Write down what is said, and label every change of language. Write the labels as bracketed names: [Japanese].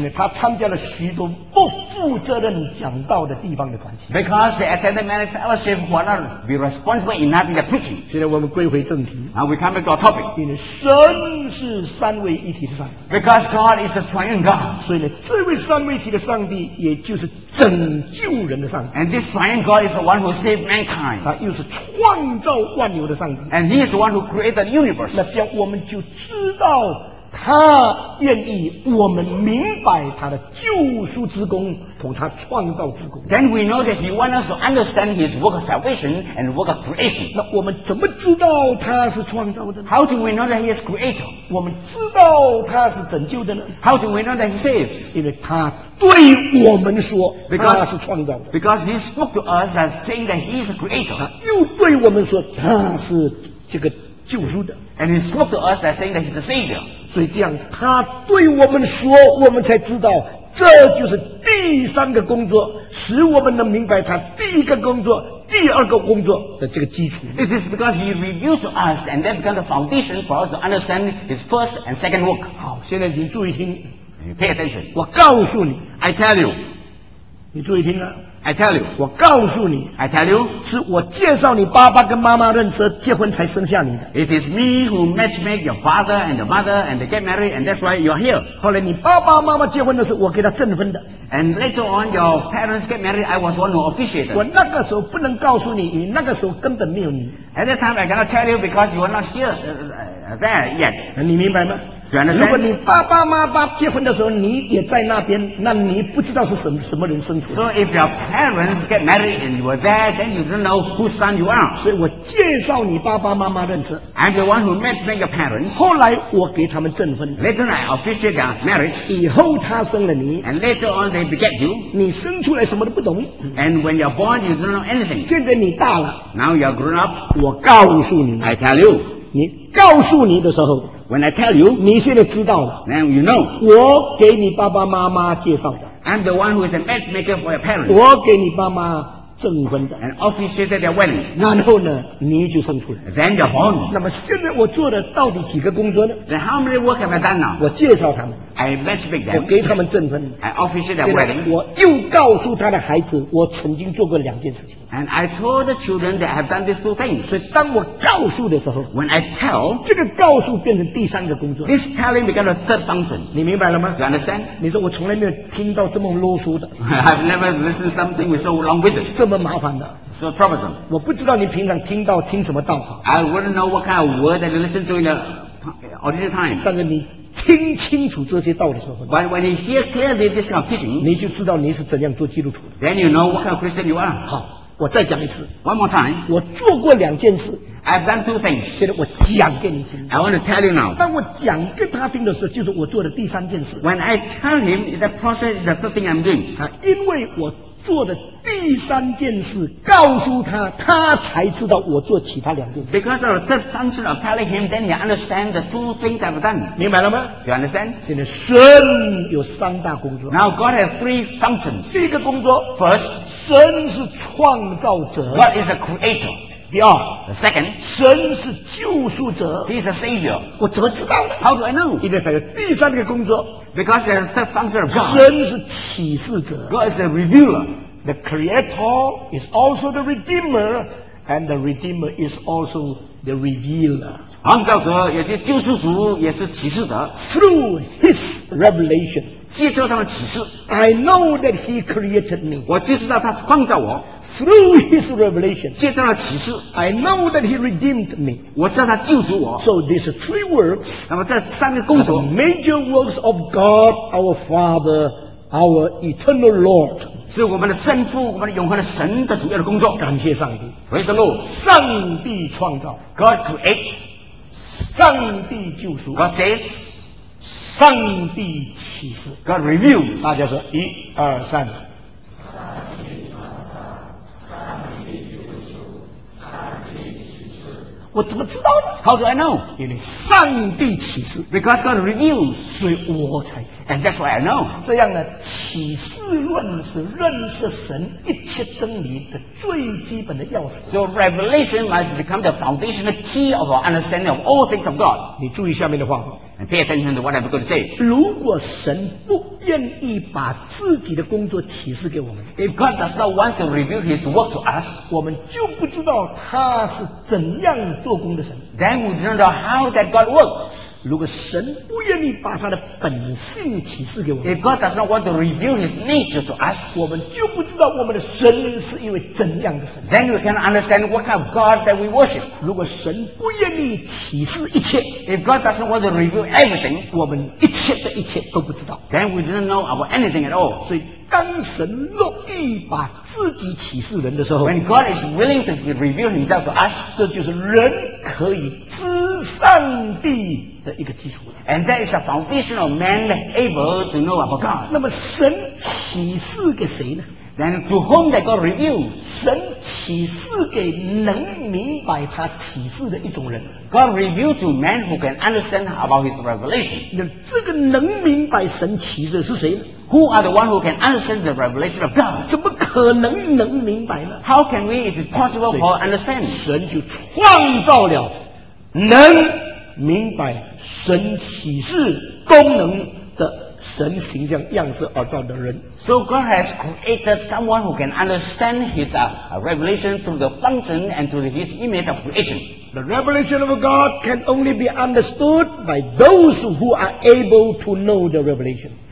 [Chinese] 因为他参加了许多不负责任讲道的地方的团契。 [English] Because they attended many fellowship who are not be responsible in having the preaching. [Chinese] 现在我们归回正题。 [English] And we come back to our topic. [Chinese] 因为神是三位一体的神。 [English] Because God is the triune God. [Chinese] 所以呢，这位三位一体的神。上帝也就是拯救人的上帝。 [English] And this triune God is the one who saved mankind. [Chinese] 他又是创造万有的上帝。 [English] And he is the one who created the universe. [Chinese] 那这样我们就知道他愿意我们明白他的救赎之功和他创造之功。 [English] Then we know that he wants us to understand his work of salvation and work of creation. [Chinese] 那我们怎么知道他是创造的呢？ [English] How do we know that he is creator? [Chinese] 我们知道他是拯救的呢？ [English] How do we know that he saves? [Chinese] 因为他对我们说他是创造的。 [English] Because he spoke to us as saying that he is a creator. [Chinese] 他又对我们说他是这个救赎的。 [English] And he spoke to us as saying that he's a savior. [Chinese] 所以这样他对我们说，我们才知道这就是第三个工作，使我们能明白他第一个工作、第二个工作的这个基础。 [English] It is because he revealed to us and that becomes the foundation for us to understand his first and second work. [Chinese] 好，现在你注意听。 [English] Pay attention. [Chinese] 我告诉你。 [English] I tell you. [Chinese] 你注意听了。 [English] I tell you， [Chinese] 我告诉你 [English] ，I tell you， [Chinese] 是我介绍你爸爸跟妈妈认识结婚才生下你的。 [English] It is me who match make your father and the mother and they get married and that's why you're here。 [Chinese] 后来你爸爸妈妈结婚的时候，我给他证婚的。 [English] And later on your parents get married, I was one who officiated。 [Chinese] 我那个时候不能告诉你，你那个时候根本没有你。 [English] At that time I cannot tell you because you were not here there yet。 [Chinese] 你明白吗？ [English] Do you understand? [Chinese] 如果你爸爸妈妈结婚的时候你也在那边，那你不知道是什么人生父。 [English] So if your parents get married and you were there, then you don't know whose son you are. [Chinese] 所以我介绍你爸爸妈妈认识。 [English] I'm the one who matched your parents. [Chinese] 后来我给他们证婚。 [English] Later I officiated their marriage. [Chinese] 以后他生了你。 [English] And later on they beget you. [Chinese] 你生出来什么都不懂。 [English] And when you're born, you don't know anything. [Chinese] 现在你大了。 [English] Now you're grown up. [Chinese] 我告诉你。 [English] I tell you. [Chinese] 你告诉你的时候。 [English] When I tell you, [Chinese] 你现在知道了。 [English] Now you know. [Chinese] 我给你爸爸妈妈介绍的。 [English] I'm the one who is a matchmaker for your parents. [Chinese] 我给你爸妈证婚的。 [English] And officiated their wedding. [Chinese] 然后呢，你就生出来。 [English] Then you're born. [Chinese] 那么现在我做的到底几个工作呢？ [English] Then how many work have I done now? [Chinese] 我介绍他们。 [English] I matchmake them. [Chinese] 我给他们证婚。 [English] I officiated their wedding. [Chinese] 我又告诉他的孩子，我曾经做过两件事情。 [English] And I told the children that I have done these two things. [Chinese] 所以当我告诉的时候 [English] ，When I tell， [Chinese] 这个告诉变成第三个工作。 [English] This telling becomes a third function. [Chinese] 你明白了吗 [English] ？You understand？ [Chinese] 你说我从来没有听到这么啰嗦的。 [English] I've never listened something with so long-winded. [Chinese] 这么麻烦的。 [English] So troublesome. [Chinese] 我不知道你平常听到听什么道法。 [English] I wouldn't know what kind of word that you listen to in the ordinary time. [Chinese] 但是你听清楚这些道理的时候 [English] ，But when you hear clearly this kind of teaching， [Chinese] 你就知道你是怎样做基督徒。 [English] Then you know what kind of Christian you are. [Chinese] 好。我再讲一次 [English] ，One more time。 [Chinese] 我做过两件事 [English] ，I've done two things。 [Chinese] 现在我讲给你听 [English] ，I want to tell you now。 [Chinese] 当我讲给他听的时候，就是我做的第三件事 [English] ，When I tell him the process is the third thing I'm doing。 [Chinese] 啊，因为我做的第三件事告诉他，他才知道我做其他两件事。 [English] Because of the third function of telling him, then he understands the two things I've done。 [Chinese] 明白了吗 [English] ？You understand？ [Chinese] 现在神有三大工作。 [English] Now God has three functions。 [Chinese] 第一个工作 [English] ，First。 [Chinese] 神是创造者 [English] ，God is a creator。 [Chinese] 第二 [English] ，the second， [Chinese] 神是救赎者 [English] ，He is a savior。 [Chinese] 我怎么知道呢 [English] ？How do I know？ [Chinese] 因为还有第三个工作 [English] ，Because there's a third function of God。 [Chinese] 神是启示者 [English] ，God is a revealer。 The creator is also the redeemer， and the redeemer is also the revealer。 [Chinese] 创造者也是救赎主，也是启示者。 [English] Through His revelation。 [Chinese] 接受他的启示 [English] I know that he created me [Chinese] 我就知道他创造我 [English] Through his revelation [Chinese] 接受他的启示 [English] I know that he redeemed me [Chinese] 我知道他救赎我 [English] So these three works [Chinese] 那么这三个工作 [English] Major works of God our Father our eternal Lord [Chinese] 是我们的圣父我们的永恒的神的主要的工作感谢上帝 [English] Praise the Lord [Chinese] 上帝创造 [English] God create [Chinese] 上帝救赎 [English] God saves [Chinese] 上帝启示 [English] God reveals [Chinese] 大家说一二三我怎么知道呢 [English] How do I know [Chinese] 因为上帝启示 [English] Because God reveals [Chinese] 所以我才知道 [English] And that's why I know [Chinese] 这样呢启示论是认识神一切真理的最基本的钥匙 [English] So revelation must become the foundational key of our understanding of all things of God [Chinese] 你注意下面的话 [English] And pay attention to what I'm going to say. [Chinese] 如果神不愿意把自己的工作启示给我们 [English] If God does not want to reveal his work to us, [Chinese] 我们就不知道他是怎样做工的神 [English] Then we don't know how that God works. [Chinese] 如果神不愿意把他的本性启示给我们 [English] If God does not want to reveal his nature to us, [Chinese] 我们就不知道我们的神是因为怎样的神 [English] Then we cannot understand what kind of God that we worship. [Chinese] 如果神不愿意启示一切 [English] If God doesn't want to reveal everything, [Chinese] 我们一切的一切都不知道 [English] Then we didn't know about anything at all. [Chinese] 所以当神乐意把自己启示人的时候 [English] When God is willing to reveal himself to us, [Chinese] 这就是人可以知上帝的一个基础 [English] And that is the foundation of man able to know about God. [Chinese] 那么神启示给谁呢 [English] Then to whom that God reveals? [Chinese] 神启示给能明白他启示的一种人 [English] God revealed to man who can understand about his revelation. [Chinese] 那这个能明白神启示是谁呢 [English] ？Who are the one who can understand the revelation of God? [Chinese] 怎么可能能明白呢 [English] ？How can we, if it's possible, for understand? [Chinese] 神就创造了能明白神启示功能的神形象样式而造的人。 [English] So God has created someone who can understand His revelation through the function and through His image of creation. The revelation of God can only be understood by those who are able to know the revelation.